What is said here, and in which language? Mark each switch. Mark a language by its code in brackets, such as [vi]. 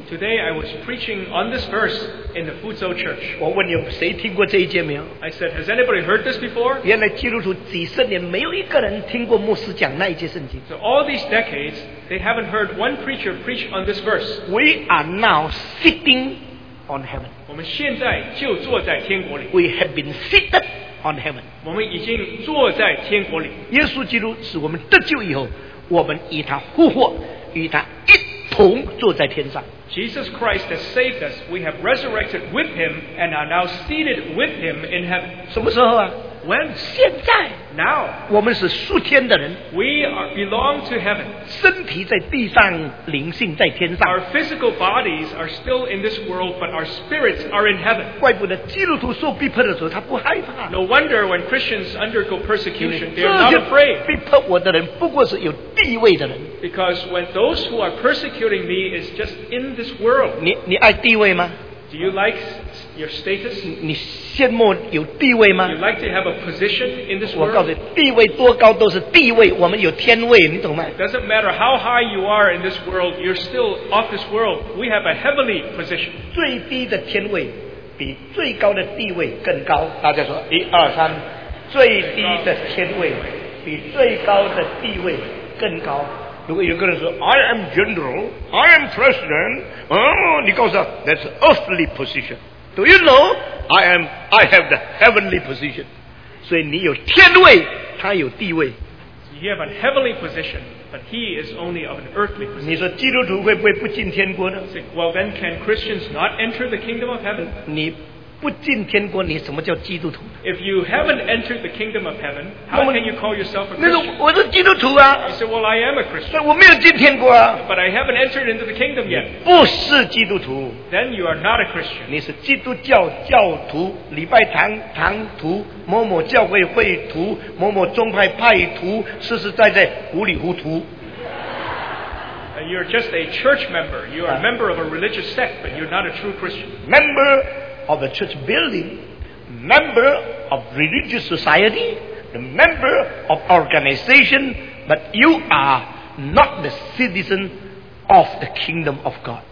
[en] Today I was preaching on this verse in the Fuzhou church. [zh] 我问你谁听过这一节没有? [en] I said, has anybody heard this before? [zh] 原来基督徒几十年没有一个人听过牧师讲那一节圣经。 [en] So all these decades, they haven't heard one preacher preach on this verse. We are now sitting on heaven. On heaven. We have been seated upon heaven. [zh] 我们已经坐在天国里。耶稣基督使我们得救以后，我们与他复活，与他一同坐在天上。 [en] Jesus Christ has saved us. We have resurrected with him and are now seated with him in heaven. [zh] 什么时候啊？ [en] When? [zh] 现在。 [en] Now. [zh] 我们是属天的人。 [en] We are belong to heaven. [zh] 身体在地上，灵性在天上。 [en] Our physical bodies are still in this world, but our spirits are in heaven. [zh] 怪不得基督徒受逼迫的时候他不害怕。 [en] No wonder when Christians undergo persecution, they are not afraid. [zh] 逼迫我的人不过是有地位的人。 [en] Because when those who are persecuting me is just in this world. [zh] 你爱地位吗？ [en] Do you like your status? [zh] 你羡慕有地位吗？ [en] You like to have a position in this world? [zh] 我告诉你，地位多高都是地位，我们有天位，你懂吗？ [en] It doesn't matter how high you are in this world, you're still of this world. We have a heavenly position. [zh] 最低的天位比最高的地位更高。大家说，一二三，最低的天位比最高的地位更高。如果有个人说 [en] I am general, I am president, [zh] 你告诉他 [en] that's earthly position. Do you know? I have the heavenly position. [zh] 所以你有天位，他有地位。 [en] You have a heavenly position, but he is only of an earthly position. [zh] 你说基督徒会不会不进天国呢？ [en] Well, then can Christians not enter the kingdom of heaven? [zh] 你不进天国，你什么叫基督徒？ [en] If you haven't entered the kingdom of heaven, how can you call yourself a Christian? [zh] 那个我是基督徒啊。 [en] You say, well, I am a Christian. [zh] 我没有进天国啊。 [en] But I haven't entered into the kingdom yet. [zh] 不是基督徒。 [en] Then you are not a Christian. [zh] 你是基督教教徒，礼拜堂堂徒，某某教会会徒，某某宗派派徒，实实在在糊里糊涂。 [en] You're just a church member. You are a member of a religious sect, but you're not a true Christian. Member. Of a church building, member of religious society, the member of organization, but you are not the citizen of the kingdom of God.